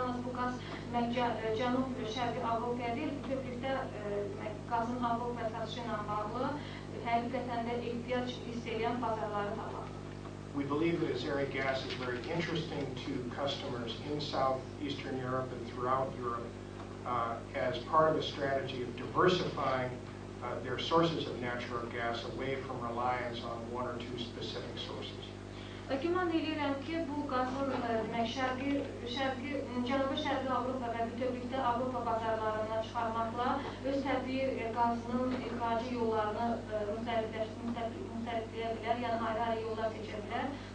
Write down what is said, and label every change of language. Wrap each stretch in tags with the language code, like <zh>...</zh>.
<az>Yalnız bu qaz cənub-şərqi Avropaya deyil, bütövlükdə qazın Avropaya satışla bağlı həqiqətən də ehtiyac hiss edən bazarları tapaq.</az> <en>We believe that Azeri gas is very interesting to customers in southeastern Europe and throughout Europe as part of a strategy of diversifying their sources of natural gas away from reliance on one or two specific sources.</en> <az>Güman edirəm ki, bu qazın cənub-şərqi Avropa və bütövlükdə Avropa bazarlarına çıxarmaqla öz təbii qazının ixracı yollarını müxtəlifləşdirə bilər, yəni ayrı-ayrı yollar seçə bilər.</az>